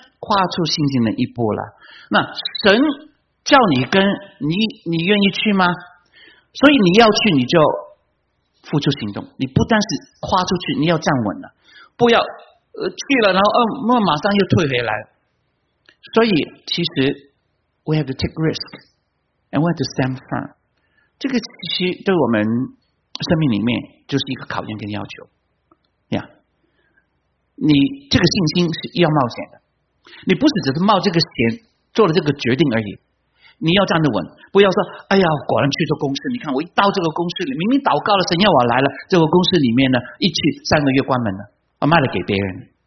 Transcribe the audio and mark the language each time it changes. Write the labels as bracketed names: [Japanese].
[Chinese] 跨出信心的一步了。那神叫你跟你愿意去吗？所以你要去，你就付出行动。你不但是跨出去，你要站稳了，不要去了，然后马上又退回来。所以其实 [English] we have to take risk and we have to stand firm。 [Chinese] 这个其实对我们生命里面就是一个考验跟要求、yeah. 你这个信心是要冒险的，你不是只是冒这个险做了这个决定而已，你要站得稳，不要说哎呀果然去做公司，你看我一到这个公司里，明明祷告了神要我来了，这个公司里面呢一去三个月关门了，我卖了给别人。